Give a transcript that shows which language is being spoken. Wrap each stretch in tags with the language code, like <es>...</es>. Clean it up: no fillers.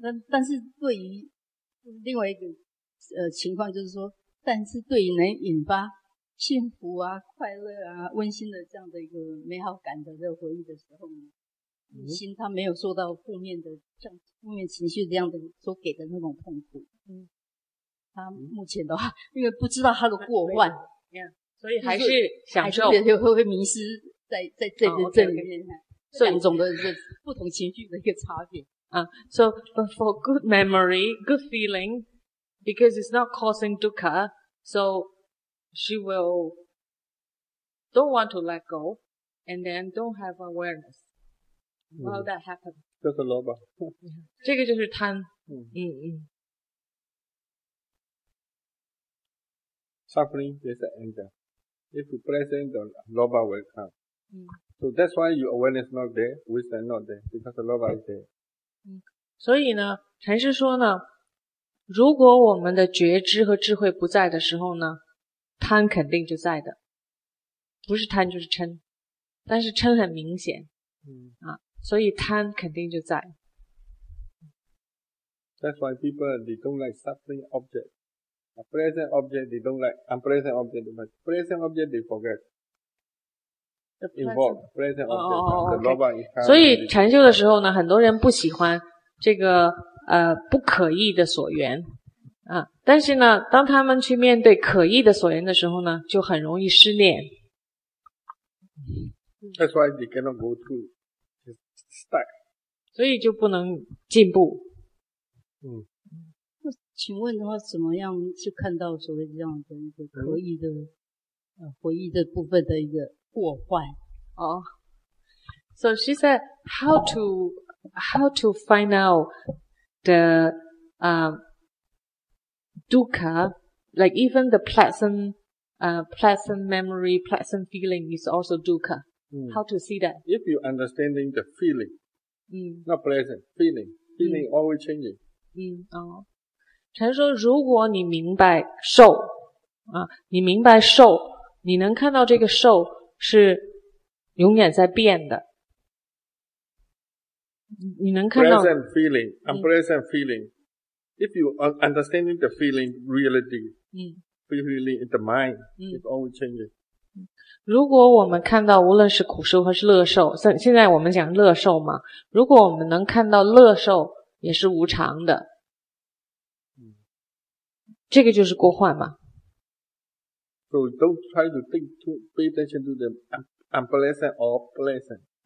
<zh>但是对于另外一个情况，就是说，但是对于能引发幸福啊、快乐啊、温馨的这样的一个美好感的这个回忆的时候呢，心它没有受到负面的像负面情绪这样的所给的那种痛苦。他目前的话，因为不知道他的过患。所以还是享受，就是、还是会迷失在这个这里面，所以两种的不同情绪的一个差别啊。</zh> <en>So but for good memory, good feeling, because it's not causing dukkha, so she will don't want to let go, and then don't have awareness. How that happen?</en> <zh>这是萝卜，这个就是贪。</zh> <en>Suffering is anger. If you present, the loba will come. So that's why your awareness not there, wisdom not there, because the loba is there.</en> <zh>所以呢，禅师说呢，如果我们的觉知和智慧不在的时候呢，贪肯定就在的，不是贪就是嗔，但是嗔很明显，所以贪肯定就在。</zh> <en>That's why people, they don't like suffering object. A present object, they don't like. Unpresent object, but present object, they forget. Involved. Present object, the lover is coming.</en> <zh>所以禅修的时候呢，很多人不喜欢这个不可意的所缘啊。但是呢，当他们去面对可意的所缘的时候呢，就很容易失念。</zh> <en>That's why they cannot go through stuck，</en> <zh>所以就不能进步。嗯，那请问的话，怎么样去看到所谓这样的一个可疑的、回忆的部分的一个过坏？哦、oh.</zh> <en>，So she said how to find out the dukkha, like even the pleasant pleasant memory, pleasant feeling is also dukkha. How to see that? If you're understanding the feeling,not pleasant, feeling always changing.</en> <zh>陈说如果你明白受、你明白受，你能看到这个受是永远在变的。你能看到</zh> <en>pleasant feeling, unpleasant feeling. If you are understanding the feeling reality, feeling in the mind, it's always changing.</en> <zh>如果我们看到无论是苦受还是乐受，现在我们讲乐受嘛，如果我们能看到乐受也是无常的，这个就是过患嘛。</zh> <en>So don't try to think too, pay attention to the unpleasant or pleasant.</en>